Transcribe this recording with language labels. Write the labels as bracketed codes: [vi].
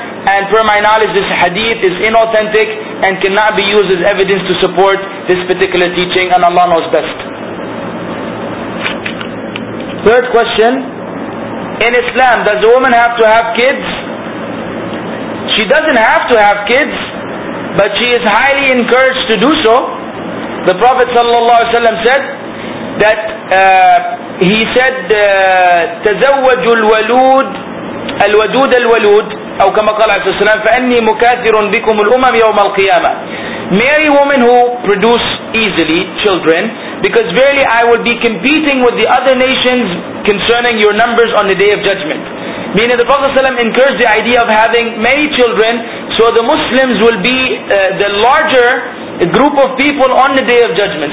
[en] And per my knowledge, this hadith is inauthentic and cannot be used as evidence to support this particular teaching, and Allah knows best. Third question, in Islam, does a woman have to have kids? She doesn't have to have kids, but she is highly encouraged to do so. The Prophet ﷺ said that he said [ar] تزوج الولود الودود الولود أو كما قال عليه السلام فأني مكاثر بكم الأمم يوم القيامة. [en] Marry women who produce easily children, because verily I will be competing with the other nations concerning your numbers on the day of judgment. Meaning the Prophet ﷺ encouraged the idea of having many children, so the Muslims will be the larger a group of people on the Day of Judgment.